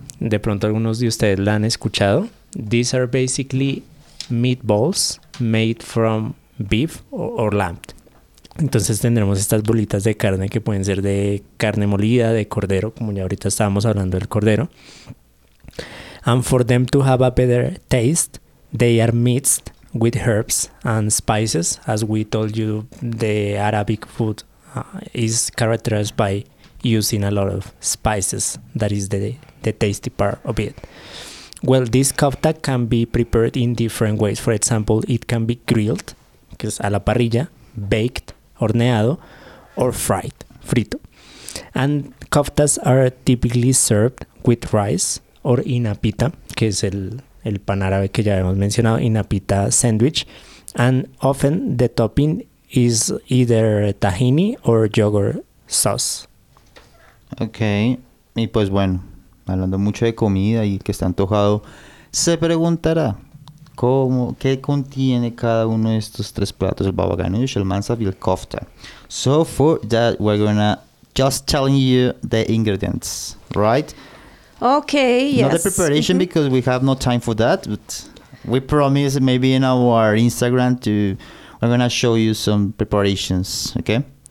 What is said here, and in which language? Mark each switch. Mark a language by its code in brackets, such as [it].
[es] De pronto algunos de ustedes la han escuchado. [en] These are basically meatballs made from beef or lamb. [es] Entonces tendremos estas bolitas de carne que pueden ser de carne molida, de cordero, como ya ahorita estábamos hablando del cordero. [en] And for them to have a better taste, they are minced with herbs and spices, as we told you, the Arabic food is characterized by using a lot of spices. That is the tasty part of it. Well, this kofta can be prepared in different ways. For example, it can be grilled, que es a la parrilla, baked, horneado, or fried, frito. And koftas are typically served with rice or in a pita, que es el pan árabe que ya hemos mencionado, in a pita sandwich, and often the topping is either tahini or yogurt sauce. [es] Okay, y pues bueno, hablando mucho de comida y que está antojado, se preguntará, cómo, qué contiene cada uno de estos tres platos, el baba ganoush, el mansaf y el kofta. [en] So for that, we're gonna just telling you the ingredients, right? Okay, not yes. Not the preparation, mm-hmm. because we have no time for that, but we promise maybe in our Instagram to, we're gonna show you some preparations, okay?